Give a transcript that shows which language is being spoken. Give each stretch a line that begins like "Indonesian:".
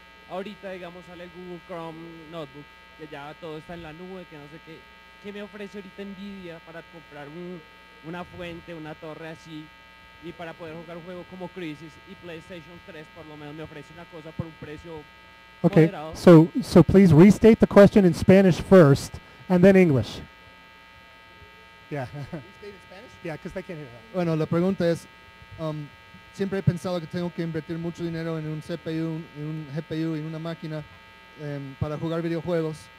Spanish: Ahorita, digamos, sale el Google Chrome Notebook, que ya todo está en la nube, que no sé qué. ¿Qué me ofrece ahorita Nvidia para comprar una fuente, una torre así, y para poder jugar un juego como Crysis, y PlayStation 3 por lo menos me ofrece una cosa por un precio moderado?
English: Okay, so please restate the question in Spanish first, and then English. Yeah. Restate in Spanish? Yeah, because they can't hear that.
Spanish: Bueno, la pregunta es, siempre he pensado que tengo que invertir mucho dinero en un CPU, en un GPU, en una máquina para jugar videojuegos.